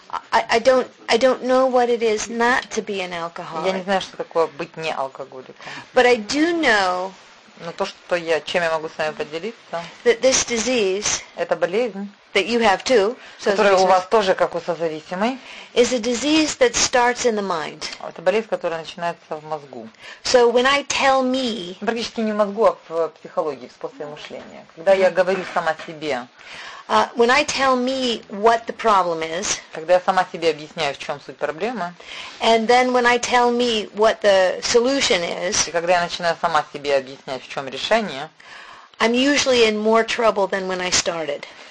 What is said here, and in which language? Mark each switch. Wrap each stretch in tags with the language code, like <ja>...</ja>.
<en>I don't know what it is not to be an alcoholic.</en> <ru>Я не знаю, что такое быть не алкоголиком.</ru> <en>But I do know.</en> <ru>Но то, что я, чем я могу с вами поделиться?</ru> <en>That this disease.</en> <ru>Это болезнь.</ru> <en>That you have too.</en> <ru>Которая у вас тоже как у созависимой.</ru> <en>Is a disease that starts in the mind.</en> <ru>Это болезнь, которая начинается в мозгу.</ru> <en>So when I tell me.</en> <ru>Практически не в мозгу, а в психологии, в способе мышления. Когда я говорю сама себе.</ru> <en>When I tell me what the problem is,</en> <ru>когда я сама себе объясняю, в чем суть проблемы,</ru> <en>and then when I tell me what the solution is,</en> <ru>и когда я начинаю сама себе объяснять, в чем решение,</ru> <en>I'm usually in more trouble than when I started.</en>